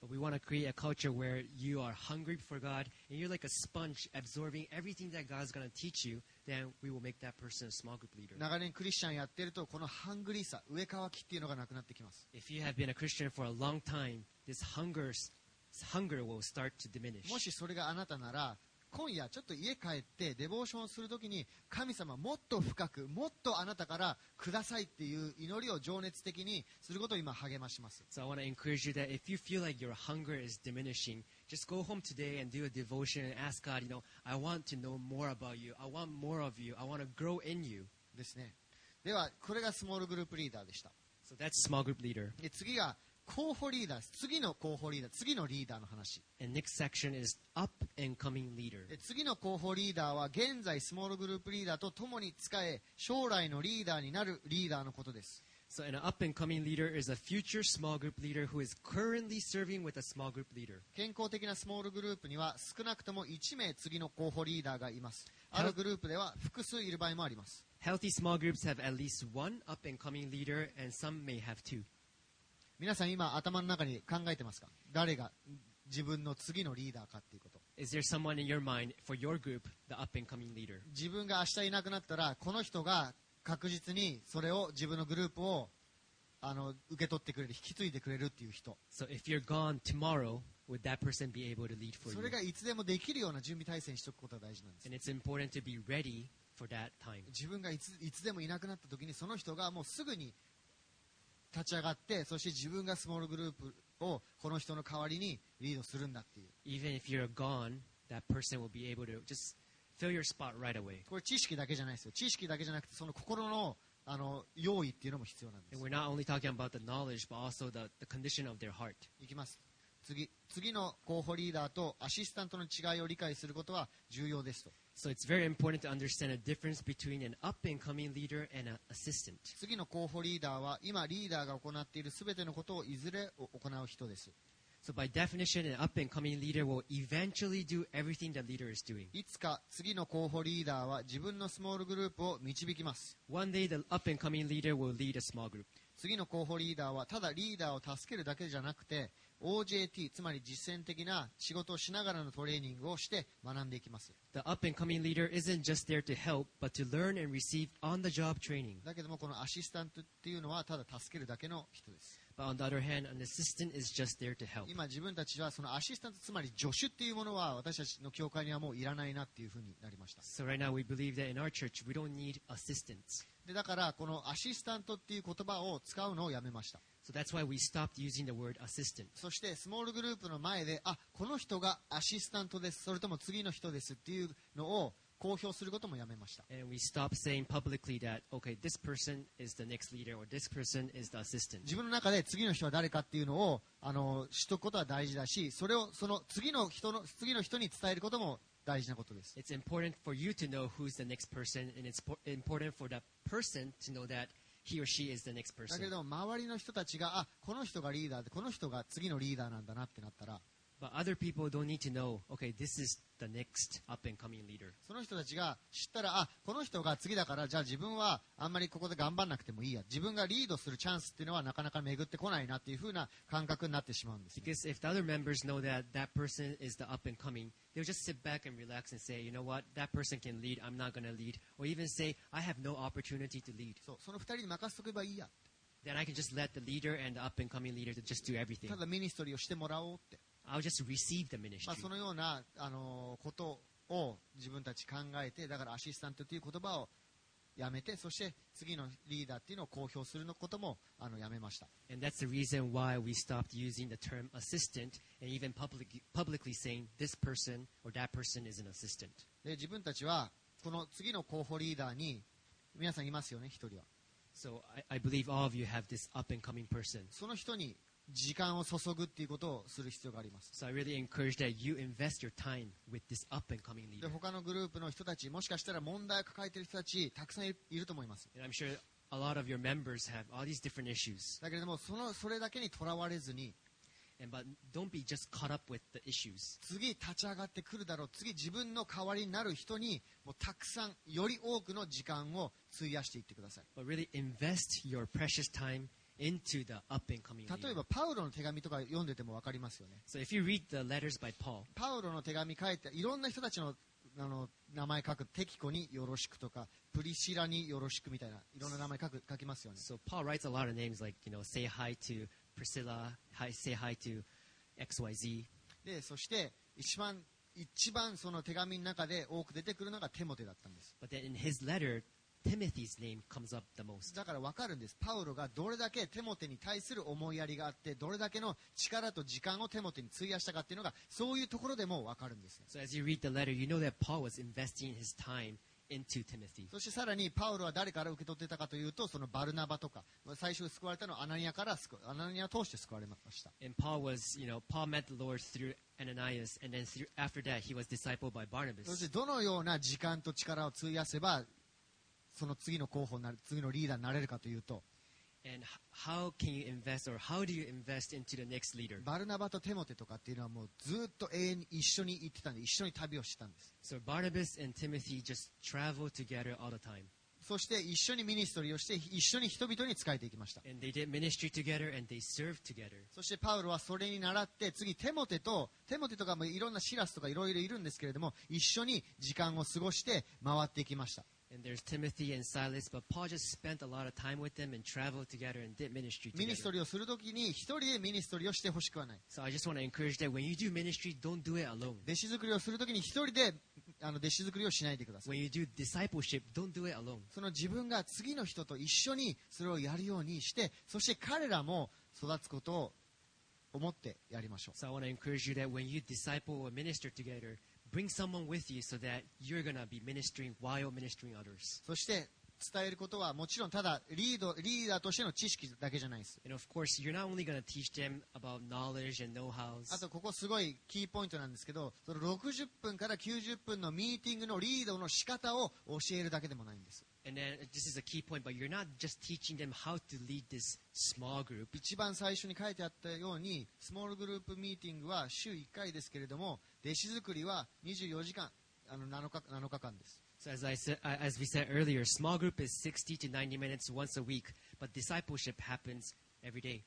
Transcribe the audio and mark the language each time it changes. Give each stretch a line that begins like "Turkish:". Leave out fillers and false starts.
English: But we want to create a culture where you are hungry for God and you're like a sponge absorbing everything that God's going to teach you. Then we will make that person a small group leader.
Japanese: 長年クリスチャンやってるとこのハングリーさ、上乾きっていうのがなくなってきます。
English: If you have been a Christian for a long time, this hunger will start to diminish.
Japanese: もしそれがあなたなら、今夜ちょっと家帰ってデボーションするときに、神様もっと深く、もっとあなたからくださいっていう祈りを情熱的にすることを今励まします。
English: So I want to encourage you that if you feel like your hunger is diminishing, just go home today and do a devotion and ask God, you know, I want to know more about you. I want more of you. I want to grow in you.
Japanese: ですね。ではこれがスモールグループリーダーでした。
English: So、that's small group leader.
Japanese: 次が候補リーダー、次の候補リーダー、次のリーダーの話。
English: And next section is up and coming leader.
Japanese: 次の候補リーダーは現在スモールグループリーダーと共に使え、将来のリーダーになるリーダーのことです。
English: So an up and coming leader is a future small group leader who is currently serving with a small group leader.
Japanese: 健康的なスモールグループには少なくとも1名次の候補リーダーがいます。あるグループでは複数いる場合もあります。
English: Healthy small groups have at least one up and coming leader and some may have two.
Japanese: 皆さん今頭の中に考えてますか？誰が自分の次のリーダーかっていうこと。
English: Is there someone in your mind for your group, the up and coming leader?
Japanese: 自分が明日いなくなったらこの人が確実にそれを自分のグループを受け取ってくれる、引き継いでくれるっていう人。
English: So if you're gone tomorrow, would that person be able to lead for you?
Japanese: それがいつでもできるような準備体制にしておくことが大事なんです。
English: And it's important to be ready. For that time.
Japanese: 自分がいつでもいなくなった時にその人がもうすぐに立ち上がって、そして自分がスモールグループをこの人の代わりにリードするんだっていう。
English: Even if you're gone, that person will be able to just fill your spot right away.
Japanese: これ知識だけじゃないですよ。知識だけじゃなくてその心の用意っていうのも必要なんです。
English: And we're not only talking about the knowledge, but also the condition of their heart.
Japanese: いきます。次の候補リーダーとアシスタントの違いを理解することは重要ですと。
English: So it's very important to understand the difference between an up-and-coming leader and an assistant.
Japanese: 次の候補リーダーは今リーダーが行っているすべてのことをいずれ行う人です。
English: So by definition, an up-and-coming leader will eventually do everything the leader is doing.
Japanese: いつか次の候補リーダーは自分のスモールグループを導きます。
English: One day, the up-and-coming leader will lead a small group.
Japanese: 次の候補リーダーはただリーダーを助けるだけじゃなくて、OJT つまり実践的な仕事をしながらのトレーニングをして学んでいきます。
English: The up and coming leader isn't just there to help, but to learn and receive on the job training.
Japanese: だけどもこのアシスタントっていうのはただ助けるだけの人です。
English: But on the other hand, an assistant is just there to help.
Japanese: 今自分たちはそのアシスタントつまり助手っていうものは私たちの教会にはもういらないなっていうふうになりました。
English: So right now we believe that in our church we don't need assistants.
Japanese: でだからこのアシスタントっていう言葉を使うのをやめました。
English: So that's why we stopped using the word assistant.
Japanese: そしてスモールグループの前で、あ、この人がアシスタントです、それとも次の人ですっていうのを公表することもやめました。
English: And we stopped saying publicly that, okay, this person is the next leader or this person is the assistant.
Japanese: 自分の中で次の人は誰かっていうのを知っておくことは大事だし、それをその次の人に伝えることも大事なことです。
English: It's important for you to know who's the next person, and it's important for that person to know that. He or she is the next person.
Japanese: だけど周りの人たちがあこの人がリーダーでこの人が次のリーダーなんだなってなったら
English: But other people don't need to know, okay, this is the next up and coming leader.
Japanese: その人たちが知ったら、あ、この人が次だから、じゃあ自分はあんまりここで頑張んなくてもいいや。自分がリードするチャンスっていうのはなかなか巡ってこないなっていうふうな感覚になってしまうんです、ね。
English: Because if the other members know that that person is the up and coming, they'll just sit back and relax and say, you know what, that person can lead, I'm not gonna lead. Or even say, I have no opportunity to lead.
Japanese: そう、その二人に任せとけばいいや。
English: Then I can just let the leader and the up and coming leader to just do everything.
Japanese: ただミニストリーをしてもらおうって。
English: I'll just receive the ministry.
Japanese: まあ、そのようなことを自分たち考えて、だからアシスタントという言葉をやめて、そして次のリーダーというのを公表することもやめました。
English: And that's the reason why we stopped using the term assistant and even publicly saying this person or that person is an assistant.
Japanese: で、自分たちはこの次の候補リーダーに皆さんいますよね、一人は。
English: So I believe all of you have this up and coming person.
Japanese: その人に時間を注ぐっていうことをする必要があります。
English: So I really encourage that you invest your time with this up and coming leader.
Japanese: で、他のグループの人たち、もしかしたら問題を抱えている人たち、たくさんいると思います。
English: And I'm sure a lot of your members have all these different issues.
Japanese: だけれども、それだけにとらわれずに、
English: And but don't be just caught up with the issues.
Japanese: 次立ち上がってくるだろう、次自分の代わりになる人に、もうたくさん、より多くの時間を費やしていってください。
English: But really invest your precious timeInto the up and coming leader.
Japanese: 例えばパウロの手紙とか読んでても分かりますよね。
English: So if you read the letters by Paul,
Japanese: パウロの手紙書いていろんな人たちの名前書く、テキコによろしくとかプリシラによろしくみたいないろんな名前書きますよね。
English: So Paul writes a lot of names like, you know, say hi to Priscilla, hi, say hi to XYZ.
Japanese: で、そして一番その手紙の中で多く出てくるのがテモテだったんです。
English: But then in his letterTimothy's name comes up the most.
Japanese: だから分かるんです。パウロがどれだけテモテに対する思いやりがあって、どれだけの力と時間をテモテに費やしたかっていうのが、そういうところでも分かるんです。
English: So as you read the letter, you know that Paul was investing his time into Timothy.
Japanese: そしてさらにパウロは誰から受け取ってたかというと、そのバルナバとか、最初救われたのはアナニアを通して救われました。
English: And Paul was, you know, Paul met the Lord throughAnanias, and then after that, he was discipled by Barnabas.
Japanese: そしてどのような時間と力を費やせば、その次の候補になる、次のリーダーになれるかというと、
English: And how can you invest or how do you invest into the next leader?
Japanese: バルナバとテモテとかっていうのはもうずっと永遠に一緒に行ってたんで、一緒に旅をしてたんです。
English: So Barnabas and Timothy just traveled together all the time.
Japanese: そして一緒にミニストリーをして、一緒に人々に仕えていきました。
English: And they did ministry together and they served together.
Japanese: そしてパウロはそれに倣って、次テモテとかもいろんなシラスとかいろいろいるんですけれども、一緒に時間を過ごして回っていきました。
English: And there's Timothy and Silas, but Paul just spent a lot of time with them and traveled together and did ministry together.
Japanese: ミニストリーをするときに一人でミニストリーをしてほしくはない。
English: So I just want to encourage that when you do ministry, don't do it alone.
Japanese: 弟子作りをするときに一人で弟子作りをしないでください。
English: When you do discipleship, don't do it alone.
Japanese: その自分が次の人と一緒にそれをやるようにして、そして彼らも育つことを思ってやりましょう。
English: So I want to encourage you that when you disciple or minister together,Bring someone with you so that you're gonna be ministering while ministering others.
Japanese: そして伝えることはもちろんただリーダーとしての知識だけじゃないです。
English: And of course, you're not only gonna teach them about knowledge and know-hows.
Japanese: あとここすごいキーポイントなんですけど、その60分から90分のミーティングのリードの仕方を教えるだけでもないんです。
English: And then this is a key point, but you're not just teaching them how to lead this small group.
Japanese: 一番最初に書いてあったように、スモールグループミーティングは週1回ですけれども、弟子作りは24時間、7日間です。
English: So as we said earlier, small group is 60 to 90 minutes once a week, but discipleship happens every day.